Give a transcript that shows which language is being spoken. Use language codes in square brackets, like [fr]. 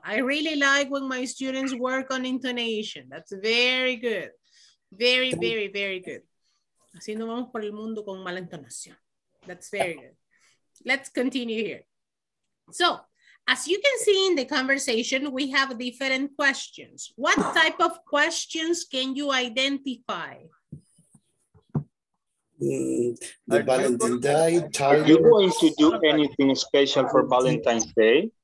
[en] I really like when my students work on intonation. That's very good. Very, very, very good. [es] Así no vamos por el mundo con mala entonación. [en] That's very good. Let's continue here. So, as you can see in the conversation, we have different questions. What type of questions can you identify? Are you going to do anything special for Valentine's Day?